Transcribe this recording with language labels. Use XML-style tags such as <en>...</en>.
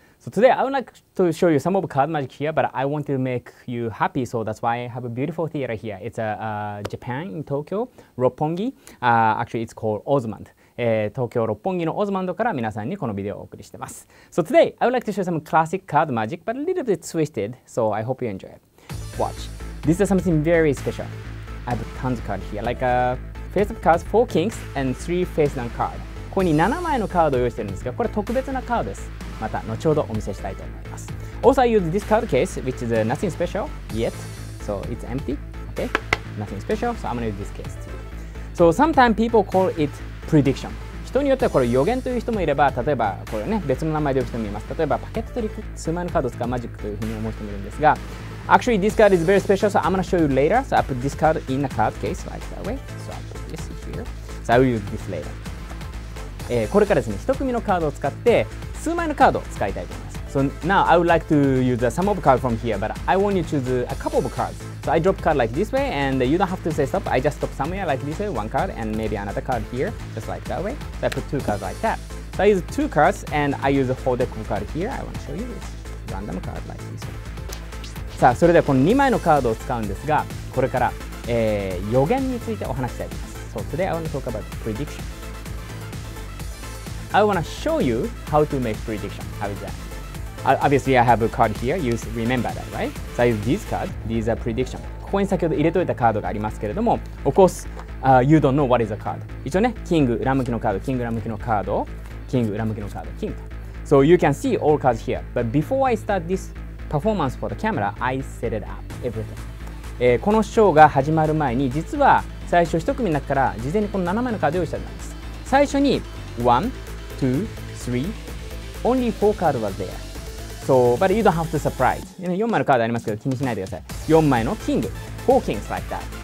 <en>So today I would like to show you some of card magic here, but I want to make you happy, so that's why I have a beautiful theater here. It's a Japan in Tokyo, Roppongi. Actually, it's called Osmand.</en> <ja>東京六本木のオズマンドから皆さんにこのビデオをお送りしてます。</ja> <en>So today I would like to show some classic card magic, but a little bit twisted. So I hope you enjoy it. Watch. This is something very special. I have tons of cards here, like a face of cards, four kings and three face down cards.</en> <ja>ここに7枚のカードを用意してるんですが、これ特別なカードです。また後ほどお見せしたいと思います。</ja> <en>Also I use this card case which is nothing special yet, so it's empty, okay, nothing special, so I'm gonna use this case too. So sometimes people call it prediction.</en> <ja>人によってはこれ予言という人もいれば、例えばこれね、別の名前で呼ぶ人もいます。例えばパケットトリック、数枚のカードを使うマジックというふうに思う人もいるんですが、</ja> <en>actually this card is very special, so I'm gonna show you later. So I put this card in a card case like that way, so I put this here, so I will use this later.</en> <ja>これからですね、一組のカードを使って数枚のカードを使いたいと思います。</ja> <en>So now I would like to use some of cards from here, but I want you to choose a couple of cards. So I drop card like this way, and you don't have to say stop. I just stop somewhere like this way, one card, and maybe another card here, just like that way. So I put two cards like that. So I use two cards, and I use a whole deck of cards here. I want to show you this random card like this way.</en> <ja>さあ、それではこの2枚のカードを使うんですが、これから、予言についてお話したいと思います。</ja> <en>So today I want to talk about predictionI want to show you how to make prediction. How is that? Obviously, I have a card here. You remember that, right? So I use this card. These are prediction.</en> <ja>ここに先ほど入れといたカードがありますけれども、</ja> <en>of course, you don't know what is a card.</en> <ja>一応ね、キング、裏向きのカード、キング、裏向きのカード、キング、裏向きのカード、キング。</ja> <en>So you can see all cards here. But before I start this performance for the camera, I set it up everything.</en> <ja>このショーが始まる前に、実は最初一組の中から事前にこの7枚のカードを用意したんです。</ja> <en>最初に、One, two, three. Only four cards were there. So, but you don't have to surprise. You know,</en> <ja>4枚のカードありますけど気にしないでください。 4枚のキング。</ja> <en>Four kings like that.</en>